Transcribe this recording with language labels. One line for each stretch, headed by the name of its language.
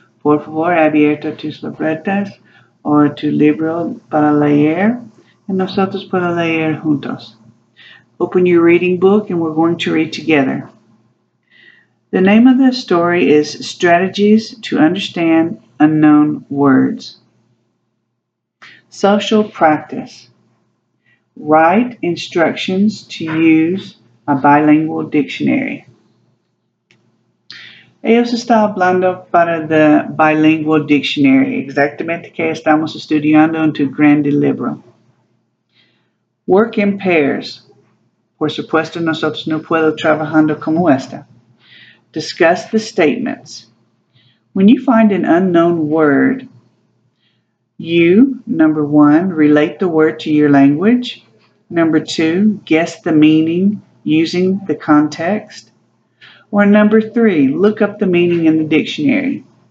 Spanish: Por favor, abierto tus libretas o tu libro para leer y nosotros para leer juntos.
English: Open your reading book and we're going to read together. The name of the story is Strategies to Understand Unknown Words. Social Practice. Write instructions to use a bilingual dictionary.
Spanish: Ellos están hablando para
English: the bilingual dictionary.
Spanish: Exactamente que estamos estudiando en tu grande libro.
English: Work in pairs.
Spanish: Por supuesto, nosotros no puedo trabajando como esta.
English: Discuss the statements. When you find an unknown word, you, number one, relate the word to your language. Number two, guess the meaning using the context. Or number three, look up the meaning in the dictionary.